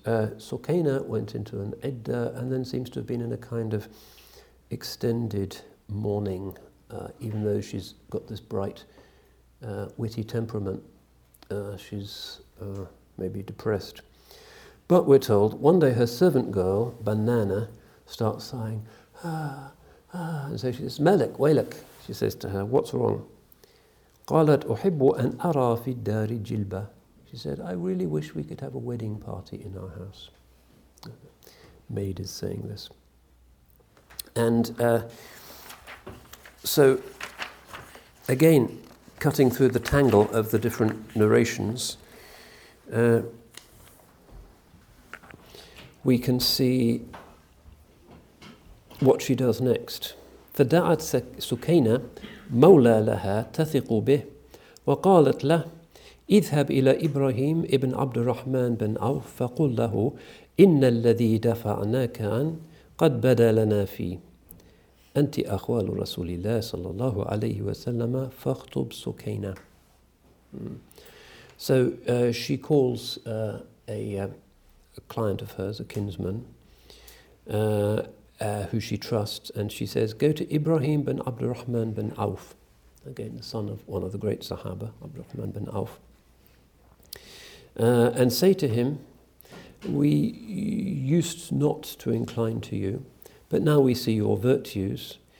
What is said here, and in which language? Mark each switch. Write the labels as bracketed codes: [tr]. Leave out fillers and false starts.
[en] Sukayna went into an idda and then seems to have been in a kind of extended mourning, even though she's got this bright, witty temperament. She's maybe depressed. But we're told one day her servant girl, Banana, starts sighing, ah, ah, and so she says, [ar] Malik, Waylik, [en] she says to her, what's wrong? [ar] قالت أحب أن أرى في الدار جلبة. [en] She said, I really wish we could have a wedding party in our house. Maid is saying this. And so, again, cutting through the tangle of the different narrations, we can see what she does next. [ar] فدعت سكينة مولى لها تثق به وقالت له اذهب إلى إبراهيم ابن عبد الرحمن بن عوف فقل له إن الذي دفعناك عن قد بدا لنا فيه أنت أخوال رسول الله صلى الله عليه وسلم فاخطب سكينة. [en] So she calls a client of hers, a kinsman, who she trusts, and she says, go to Ibrahim bin Abdurrahman bin Auf, again the son of one of the great Sahaba, Abdurrahman bin Auf, and say to him, we used not to incline to you, but now we see your virtues.